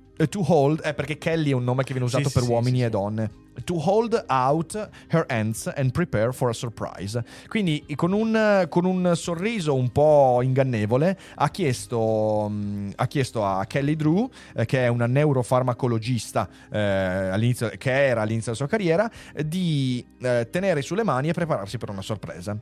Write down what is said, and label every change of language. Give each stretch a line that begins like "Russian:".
English: To hold,
Italian: perché Kelly è un nome che viene usato per uomini e donne.
English: To hold out her hands and prepare for a surprise.
Italian: Quindi con un sorriso un po' ingannevole ha chiesto a Kelly Drew, che è una neurofarmacologista all'inizio della sua carriera, di tenere sulle mani e prepararsi per una sorpresa.